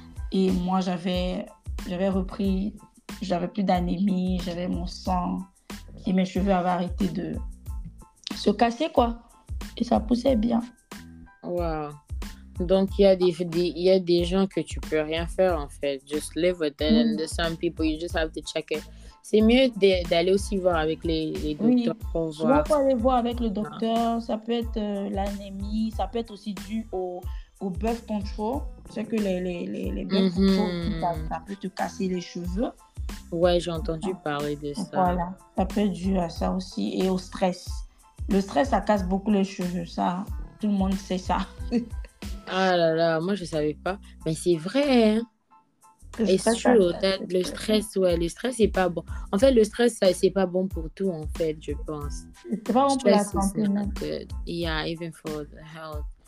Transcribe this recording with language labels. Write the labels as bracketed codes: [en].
[fr] Et moi, j'avais repris, j'avais plus d'anémie, j'avais mon sang et mes cheveux avaient arrêté de se casser quoi. Et ça poussait bien. Wow. Donc, il y a des gens que tu peux rien faire en fait. [en] Just live with it. And there's some people, you just have to check it. [fr] C'est mieux d'aller aussi voir avec les docteurs pour voir. Souvent, pour aller voir avec le docteur, ça peut être l'anémie, ça peut être aussi dû au birth control. C'est que les birth control, ça peut te casser les cheveux. Ouais, j'ai entendu parler de ça. Voilà, ça peut être dû à ça aussi et au stress. Le stress, ça casse beaucoup les cheveux, ça. Tout le monde sait ça. Ah là là, moi, je ne savais pas. Mais c'est vrai, hein. Le stress, ouais, le stress, c'est pas bon. En fait, le stress, ça, c'est pas bon pour tout, en fait, je pense. C'est pas bon pour la santé, non. [en] Yeah, even for the health.